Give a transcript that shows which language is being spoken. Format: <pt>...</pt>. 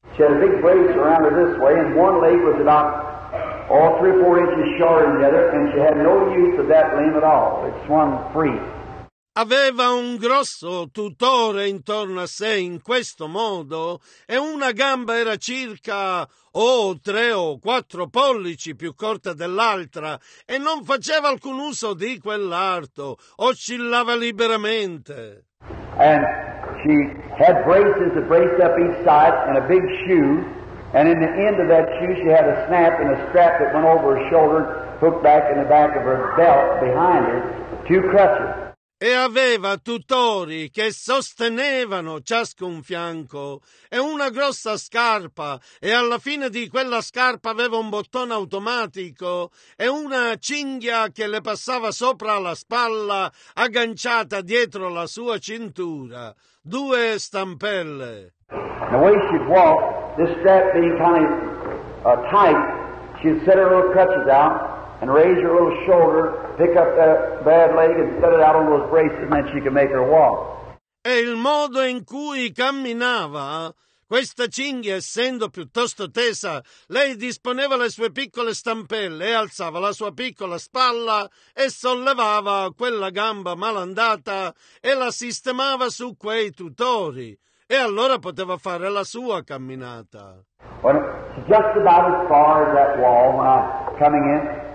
<en>She had a big brace around her this way, and one leg was about all 3 or 4 inches shorter than the other, and she had no use of that limb at all. It swung free.</en> <it>Aveva un grosso tutore intorno a sé in questo modo e una gamba era circa 3 o 4 pollici più corta dell'altra e non faceva alcun uso di quell'arto, oscillava liberamente.</it> <en>And she had braces that braced up each side and a big shoe, and in the end of that shoe she had a snap and a strap that went over her shoulder, hooked back in the back of her belt behind her, 2 crutches.</en> <it>E aveva tutori che sostenevano ciascun fianco e una grossa scarpa e alla fine di quella scarpa aveva un bottone automatico e una cinghia che le passava sopra la spalla agganciata dietro la sua cintura. 2 stampelle.</it> <en>The way she'd walk, this strap being kind of tight, she'd set her little crutches out and raise her little shoulder, pick up that bad leg and set it out on those braces, and then she could make her walk.</en> <it>E il modo in cui camminava, questa cinghia essendo piuttosto tesa, lei disponeva le sue piccole stampelle, alzava la sua piccola spalla e sollevava quella gamba malandata e la sistemava su quei tutori. E allora poteva fare la sua camminata.</it> <en>Well, just about as far as that wall when I'm coming in.</en>